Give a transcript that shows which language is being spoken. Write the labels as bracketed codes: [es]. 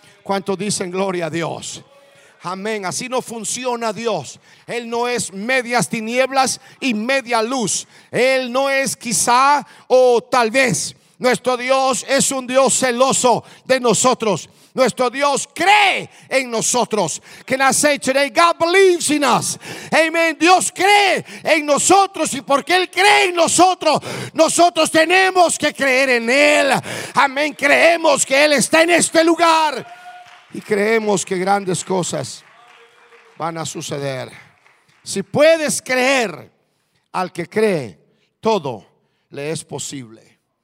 [es] ¿Cuánto dicen gloria a Dios? Amén, así no funciona Dios. Él no es medias tinieblas y media luz. Él no es quizá o tal vez. Nuestro Dios es un Dios celoso de nosotros. Nuestro Dios cree en nosotros. [en] Can I say today, God believes in us. Amen. [es] Dios cree en nosotros, y porque Él cree en nosotros, nosotros tenemos que creer en Él. Amén, creemos que Él está en este lugar, y creemos que grandes cosas van a suceder. Si puedes creer al que cree, todo le es posible.